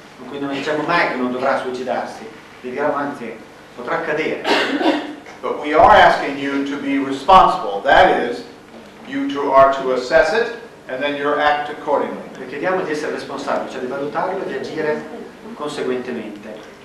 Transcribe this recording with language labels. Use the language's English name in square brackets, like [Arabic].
[Italian] Quindi non diciamo mai che non dovrà suicidarsi. Diciamo anzi, potrà accadere. [English] But we are asking you to be responsible. That is, you two are to assess it, and then you act accordingly. [Italian] Le chiediamo di essere responsabili, cioè di valutarlo e di agire conseguentemente.